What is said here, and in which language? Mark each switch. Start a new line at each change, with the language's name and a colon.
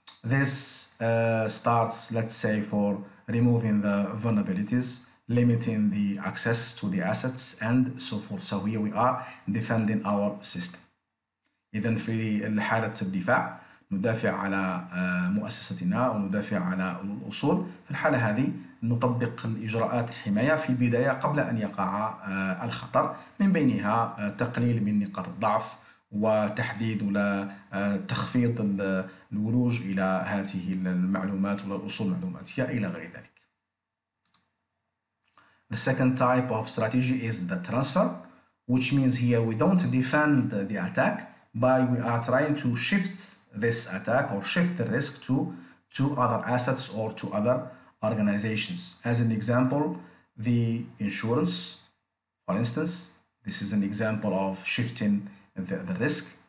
English: This starts, let's say, for removing the vulnerabilities, limiting the access to the assets, and so forth. So here we are defending our system.
Arabic: إذا في حالة الدفاع ندافع على مؤسستنا وندافع على الأصول. في الحالة هذه نطبق الإجراءات الحماية في البداية قبل أن يقع الخطر، من بينها تقليل من نقاط الضعف وتحديد وتخفيض الولوج إلى هذه المعلومات والأصول المعلوماتية إلى غير ذلك.
English: The second type of strategy is the transfer, which means here we don't defend the attack, by we are trying to shift this attack or shift the risk to other assets or to other organizations. As an example, the insurance, for instance, this is an example of shifting the risk.